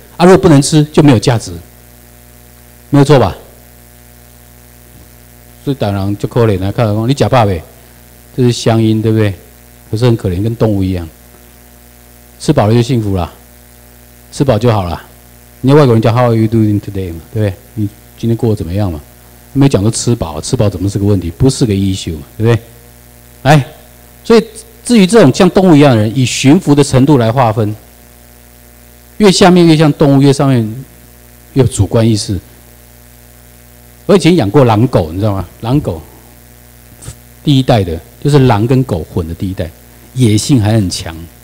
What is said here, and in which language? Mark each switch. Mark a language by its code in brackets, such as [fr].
[zh] 啊，如果不能吃就没有价值，没有错吧？所以当然就可怜了，看到你假爸呗，这是乡音，对不对？可是很可怜，跟动物一样，吃饱了就幸福了，吃饱就好了。你外国人叫 [en] How are you doing today [zh] 嘛，对不对？你今天过得怎么样嘛？没讲到吃饱，吃饱怎么是个问题？不是个 issue 嘛，对不对？来，所以至于这种像动物一样的人，以驯服的程度来划分，越下面越像动物，越上面越有主观意识。我以前养过狼狗，你知道吗？狼狗第一代的，就是狼跟狗混的第一代，野性还很强。